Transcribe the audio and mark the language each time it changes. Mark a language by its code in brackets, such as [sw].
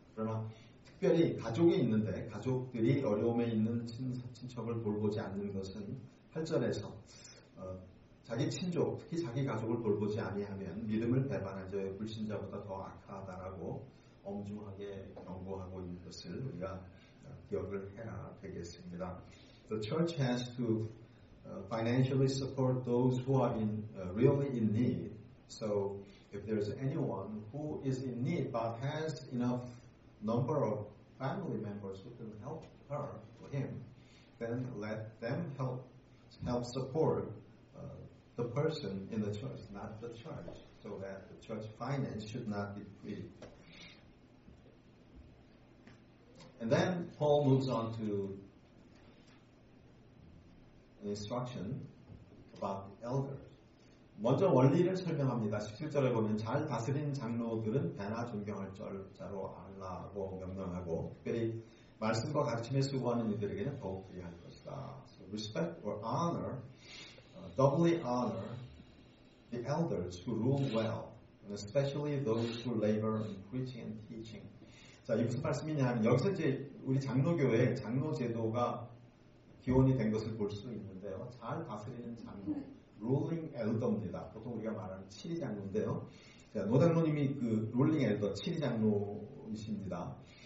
[ko] 그러나 특별히 가족이 있는데 가족들이 어려움에 있는 친척을 돌보지 않는 것은 8절에서 자기 친족, 특히 자기 가족을 돌보지 아니하면 믿음을 배반하여 불신자보다 더 악하다라고 엄중하게 경고하고 있는 것을 우리가 기억을 해야 되겠습니다. [en] The church has to financially support those who are in really in need. So if there's anyone who is in need but has enough number of family members who can help her or him, then let them help support the person in the church, not the church, so that the church finance should not be depleted. And then Paul moves on to an instruction about elders. [ko] 먼저 원리를 설명합니다. 17절에 보면 잘 다스린 장로들은 배나 존경할 자로 알라고 명령하고 특별히 말씀과 가르침에 수고하는 이들에게는 더욱 귀한 것이다. [en] So respect or honor, doubly honor the elders who rule well, and especially those who labor in preaching and teaching. [ko] 자, 이 무슨 말씀이냐 하면 여기서 이제 우리 장로교회 장로 제도가 기원이 된 것을 볼 수 있는데요. 잘 다스리는 장로, ruling elder입니다. 보통 우리가 말하는 치리 장로인데요. 자, 노장로님이 그 ruling elder, 치리 장로이십니다.